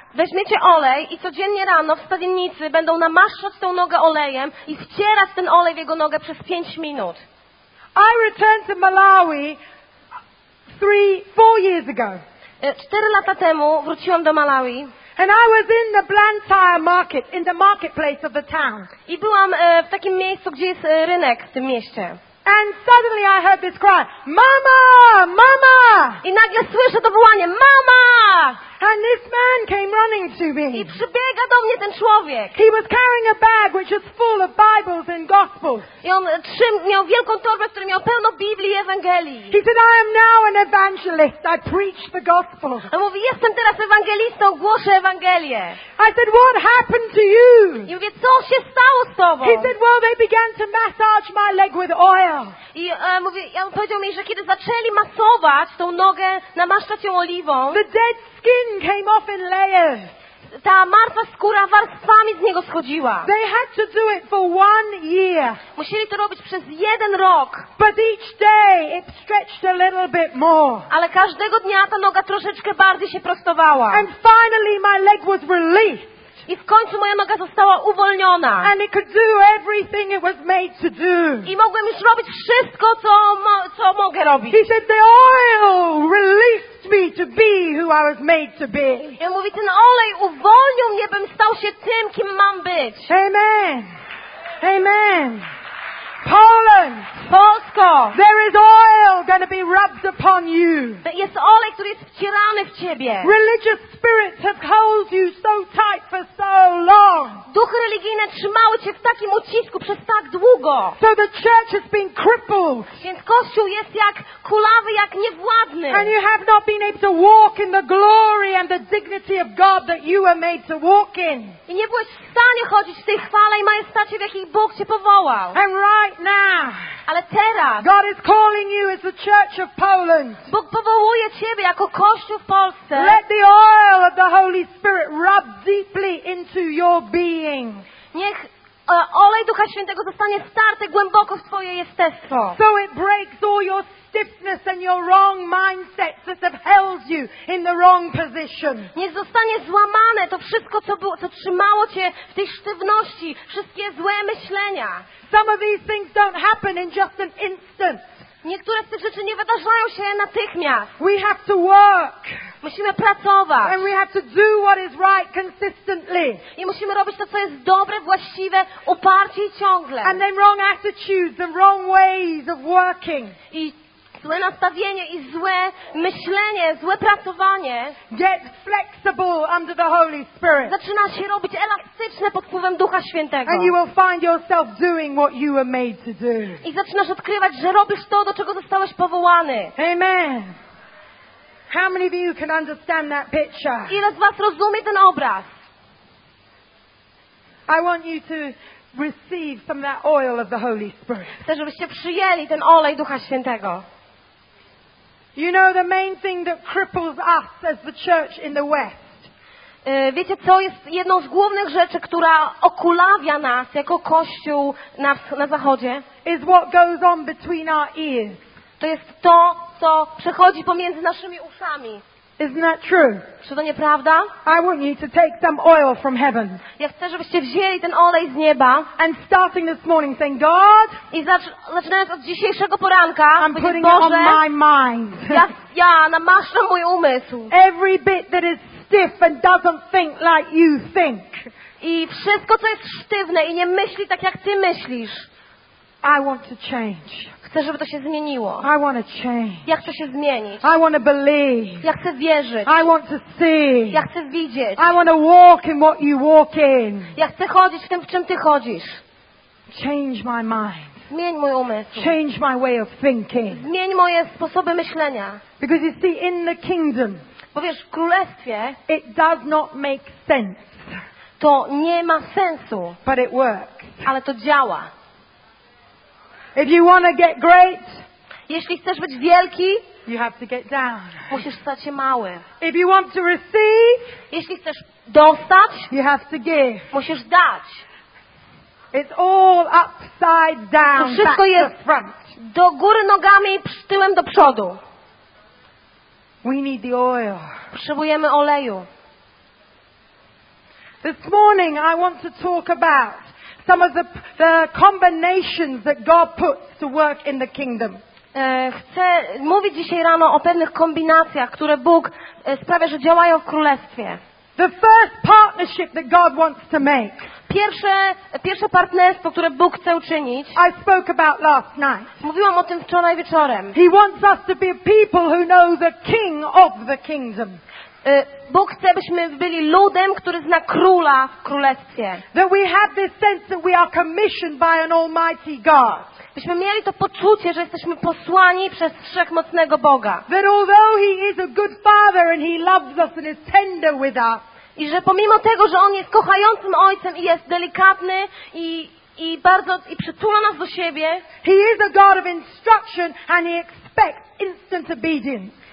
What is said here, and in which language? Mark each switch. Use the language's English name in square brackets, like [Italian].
[Polish] Weźmiecie olej i codziennie rano w stawiennicy będą namaszczać tę nogę olejem i wcierać ten olej w jego nogę przez 5 minut. [English] I returned to Malawi 4 years ago. [Polish] 4 lata temu wróciłam do Malawi. [English] And I was in the Blantyre market, in the marketplace of the town. [Polish] I byłam w takim miejscu, gdzie jest rynek w tym mieście. [English] And suddenly I heard this cry, "Mama, mama!" [Polish] I nagle słyszę to wołanie, "Mama!" [English] And this man came running to me. [Polish] I przybiega do mnie ten człowiek. [English] He was carrying a bag which was full of Bibles and Gospels. [Polish] I on miał wielką torbę, w której miał pełno Biblii i Ewangelii. [English] He said, "I am now an evangelist. I preach the gospel." [Polish] A mówi, jestem teraz ewangelistą, głoszę Ewangelię. [English] I said, "What happened to you?" [Polish] I mówię, co się stało z tobą? [English] He said, "Well, they began to massage my leg with oil." [Polish] I mówi, on powiedział mi, że kiedy zaczęli masować tą nogę, namaszczać ją oliwą. [English] The dead skin came off in layers. [Polish] Ta martwa skóra warstwami z niego schodziła. [English] They had to do it for 1 year. [Polish] Musieli to robić przez 1 rok. [English] But each day it stretched a little bit more. [Polish] Ale każdego dnia ta noga troszeczkę bardziej się prostowała. [English] And finally my leg was released. [Polish] I w końcu moja noga została uwolniona. [English] And it could do everything it was made to do. [Polish] I mogłem już robić wszystko, co mogę robić. [English] He said, "The oil released me to be who I was made to be." [Polish] I on mówi, ten olej uwolnił mnie, bym stał się tym, kim mam być. [English] Amen. Amen. Poland. [Polish] Polsko. [English] There is oil going to be rubbed upon you. [Polish] Jest olej, który jest wcierany w ciebie. [English] Religious spirits have held you so tight for so long. [Polish] Duchy religijne trzymały cię w takim ucisku przez tak długo. [English] So the church has been crippled. [Polish] Więc kościół jest jak kulawy, jak niewładny. [English] And you have not been able to walk in the glory and the dignity of God that you were made to walk in. [Polish] I nie byłeś w stanie chodzić w tej chwale i majestacie, w jakiej Bóg cię powołał. [English] And right now, [Polish] ale teraz, [English] God is calling you as the Church of Poland. [Polish] Bóg powołuje ciebie jako kościół w Polsce. [English] Let the oil of the Holy Spirit rub deeply into your being. [Polish] Niech olej Ducha Świętego zostanie starty głęboko w twoje jestestwo. [English] So it breaks all your stiffness and your wrong mindsets that have held you in the wrong position. [Polish] Niech zostanie złamane to wszystko, co trzymało cię w tej sztywności, wszystkie złe myślenia. [English] Some of these things don't happen in just an instant. [Polish] Niektóre z tych rzeczy nie wydarzają się natychmiast. [English] We have to work. [Polish] Musimy pracować. [English] And we have to do what is right consistently. [Polish] I musimy robić to, co jest dobre, właściwe, uparcie i ciągle. [English] And then wrong attitudes and wrong ways of working. [Polish] I złe nastawienie i złe myślenie, złe pracowanie. [English] Get flexible under the Holy Spirit. [Polish] Zaczyna się robić elastyczne pod wpływem Ducha Świętego. [English] And you will find yourself doing what you were made to do. [Polish] I zaczynasz odkrywać, że robisz to, do czego zostałeś powołany. [English] Amen. How many of you can understand that picture? [Polish] Ile z was rozumie ten obraz? [English] I want you to receive some of that oil of the Holy Spirit. [Polish] Chcę, żebyście przyjęli ten olej Ducha Świętego. [English] You know the main thing that cripples us as the church in the West. [Polish] Wiecie, co jest jedną z głównych rzeczy, która okulawia nas jako kościół na zachodzie? [English] Is what goes on between our ears. [Polish] To jest to, co przechodzi pomiędzy naszymi uszami. [English] Isn't that true? [Polish] Czy to nieprawda? [English] I want you to take some oil from heaven. [Polish] Ja chcę, żebyście wzięli ten olej z nieba. [English] And starting this morning, saying, "God." [Polish] I zaczynając od dzisiejszego poranka, [English] I'm putting it on my mind. [Polish] Ja namaszczam mój umysł. [English] Every bit that is stiff and doesn't think like you think. [Polish] I wszystko, co jest sztywne i nie myśli tak, jak ty myślisz. [English] I want to change. [Polish] Chcę, żeby to się zmieniło. [English] I want to change. [Polish] Ja chcę się zmienić. [English] I want to believe. [Polish] Ja chcę wierzyć. [English] I want to see. [Polish] Ja chcę widzieć. [English] I want to walk in what you walk in. [Polish] Ja chcę chodzić w tym, w czym ty chodzisz. [English] Change my mind. [Polish] Zmień mój umysł. [English] Change my way of thinking. [Polish] Zmień moje sposoby myślenia. [English] Because you see, in the kingdom, [Polish] bo wiesz, w królestwie, [English] it does not make sense. [Polish] To nie ma sensu. [English] But it works. [Polish] Ale to działa. [English] If you want to get great, [Polish] Jeśli chcesz być wielki, [English] you have to get down. [Polish] Musisz stać się mały. [English] If you want to receive, [Polish] jeśli chcesz dostać, [English] you have to give. [Polish] Musisz dać. [English] It's all upside down. [Polish] To wszystko jest [English] back to front. [Polish] Do góry nogami, tyłem do przodu. [English] We need the oil. [Polish] Potrzebujemy oleju. [English] This morning I want to talk about some of the combinations that God puts to work in the kingdom. [Polish] Chcę mówić dzisiaj rano o pewnych kombinacjach, które Bóg sprawia, że działają w królestwie. [English] The first partnership that God wants to make. [Polish] Pierwsze partnerstwo, które Bóg chce uczynić. [English] I spoke about last night. [Polish] Mówiłam o tym wczoraj wieczorem. [English] He wants us to be a people who know the King of the Kingdom. [Polish] Bóg chce, byśmy byli ludem, który zna króla w królestwie. [English] That we have this sense that we are commissioned by an Almighty God. [Polish] Byśmy mieli to poczucie, że jesteśmy posłani przez wszechmocnego Boga. [English] That although He is a good Father and He loves us and is tender with us. [Polish] I że pomimo tego, że On jest kochającym Ojcem i jest delikatny i bardzo i przytula nas do siebie. [English] He is a God of instruction and He expects instant obedience.